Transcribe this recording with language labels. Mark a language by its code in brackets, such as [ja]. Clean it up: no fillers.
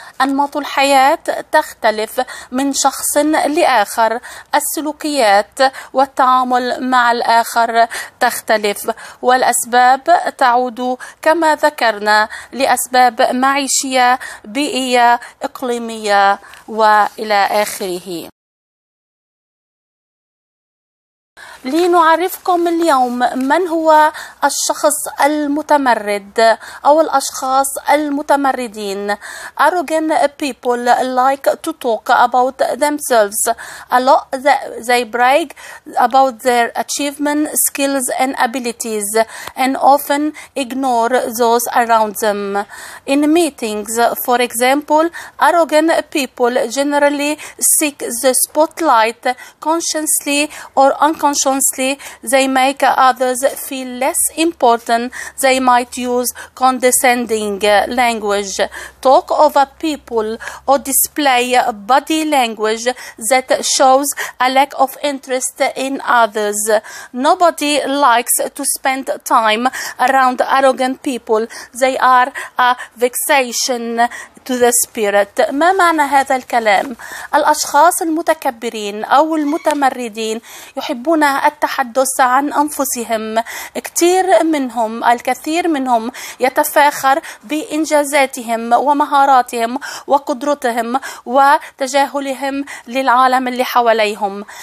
[ar] أنماط الحياة تختلف من شخص لآخر، السلوكيات والتعامل مع الآخر تختلف، والأسباب تعود كما ذكرنا لأسباب معيشية، بيئية، إقليمية وإلى آخره. لنعرفكم اليوم من هو الشخص المتمرد أو الأشخاص المتمردين. [en] Arrogant people like to talk about themselves a lot. They brag about their achievements, skills and abilities and often ignore those around them. In meetings, for example, arrogant people generally seek the spotlight consciously or unconsciously. They make others feel less important. They might use condescending language, talk over people, or display body language that shows a lack of interest in others. Nobody likes to spend time around arrogant people. They are a vexation to the spirit. [ar] ما معنى هذا الكلام؟ الأشخاص المتكبرين أو المتمردين يحبون التحدث عن أنفسهم. كثير منهم، الكثير منهم يتفاخر بإنجازاتهم ومهاراتهم وقدرتهم وتجاهلهم للعالم اللي حواليهم.